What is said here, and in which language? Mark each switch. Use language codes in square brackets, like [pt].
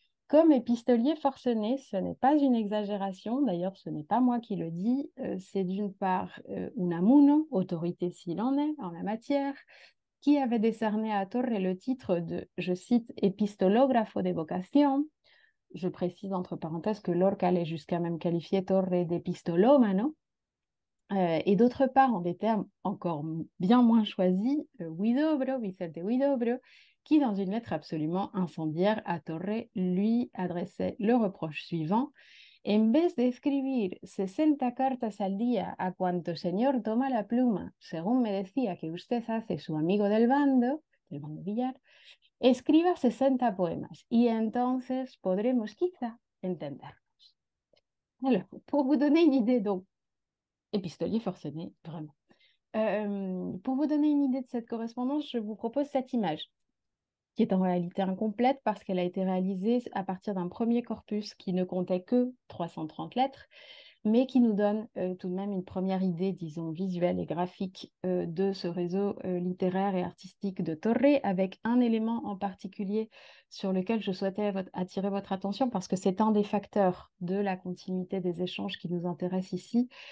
[fr] Comme épistolier forcené, ce n'est pas une exagération, d'ailleurs ce n'est pas moi qui le dis, c'est d'une part Unamuno, autorité s'il en est en la matière, qui avait décerné à Torre le titre de, je cite, « [es] épistolographo de vocation [fr] », je précise entre parenthèses que Lorca allait jusqu'à même qualifier Torre d'épistolomano. Et d'autre part, en des termes encore bien moins choisis, Huidobro, Vicente Huidobro, qui dans une lettre absolument incendiaire à Torre, lui adressait le reproche suivant. [es] En vez [fr] d'écrire [es] 60 cartas al día a cuanto señor toma la pluma, según me decía que usted hace su amigo del bando Villar, escriba 60 poemas y entonces podremos quizá entendernos. [fr] Alors, pour vous donner une idée, donc, épistolier forcené, vraiment. Pour vous donner une idée de cette correspondance, je vous propose cette image, qui est en réalité incomplète parce qu'elle a été réalisée à partir d'un premier corpus qui ne comptait que 330 lettres, mais qui nous donne tout de même une première idée, disons, visuelle et graphique de ce réseau littéraire et artistique de Torre, avec un élément en particulier sur lequel je souhaitais attirer votre attention, parce que c'est un des facteurs de la continuité des échanges qui nous intéresse ici.